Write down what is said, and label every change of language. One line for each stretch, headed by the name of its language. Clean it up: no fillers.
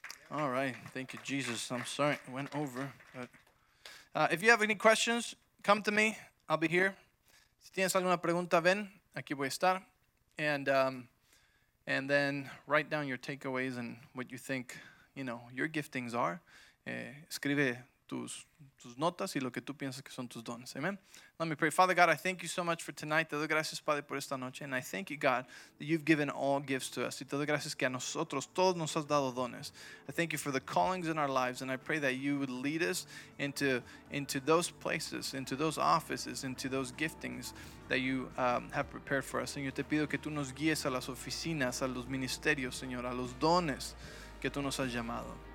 English: All right. Thank you, Jesus. I'm sorry. It went over. But, if you have any questions, come to me. I'll be here.
Spanish: Si tienes alguna pregunta, ven. Aquí voy a estar.
English: And then write down your takeaways and what you think, you know, your giftings are.
Spanish: Escribe tus notas y lo que tú piensas que son tus dones.
English: Amen. Let me pray. Father God, I thank you so much for tonight.
Spanish: Te doy gracias, Padre, por esta noche.
English: And I thank you, God, that you've given all gifts to us.
Spanish: Y te doy gracias que a nosotros, todos nos has dado dones.
English: I thank you for the callings in our lives. And I pray that you would lead us into those places, into those offices, into those giftings that you have prepared for us.
Spanish: Señor, te pido que tú nos guíes a las oficinas, a los ministerios, Señor, a los dones que tú nos has llamado.